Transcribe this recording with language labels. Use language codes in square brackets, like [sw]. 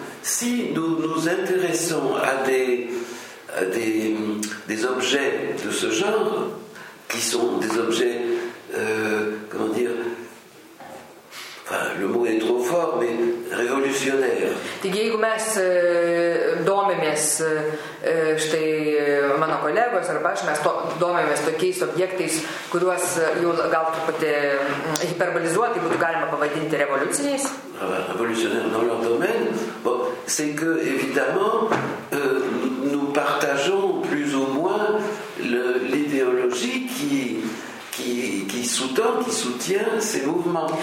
[fr] si nous nous intéressons à des objets de ce genre, qui sont des objets, comment dire, enfin, le mot est trop fort, mais révolutionnaires. [lt] Taigi, jeigu mes domimės štai mano kolegos arba aš, mes domimės tokiais objektais, kuriuos jau gal truputį hiperbolizuoti būtų galima pavadinti revoliuciniais. [fr] Révolutionnaires dans leur domaine, bon, c'est que évidemment nous partageons plus ou moins l'idéologie qui soutient ces mouvements.